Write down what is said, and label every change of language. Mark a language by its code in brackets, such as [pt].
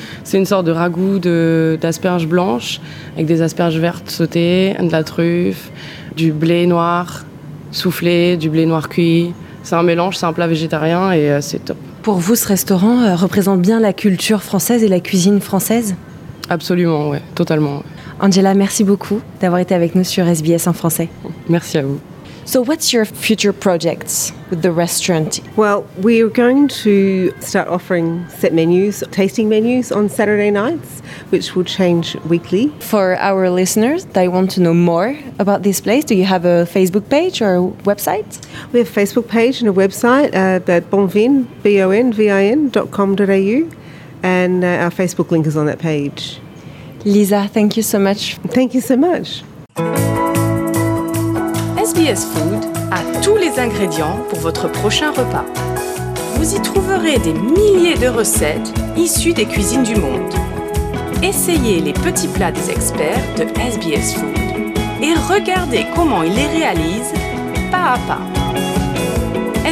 [fr] C'est une sorte de ragoût d'asperges blanches avec des asperges vertes sautées, de la truffe, du blé noir soufflé, du blé noir cuit. C'est un mélange, c'est un plat végétarien et c'est top. Pour vous, ce restaurant représente bien la culture française et la cuisine française ? Absolument, oui, totalement. Ouais. Angela, merci beaucoup d'avoir été avec nous sur SBS en français. Merci à vous. [en] So what's your future projects with the restaurant? Well, we are going to start offering set menus, tasting menus on Saturday nights, which will change weekly. For our listeners, they want to know more about this place. Do you have a Facebook page or a website? We have a Facebook page and a website at bonvin, bonvin.com.au, and our Facebook link is on that page. Lisa, thank you so much. Thank you so much. [fr] SBS Food a tous les ingrédients pour votre prochain repas. Vous y trouverez des milliers de recettes issues des cuisines du monde. Essayez les petits plats des experts de SBS Food et regardez comment ils les réalisent pas à pas.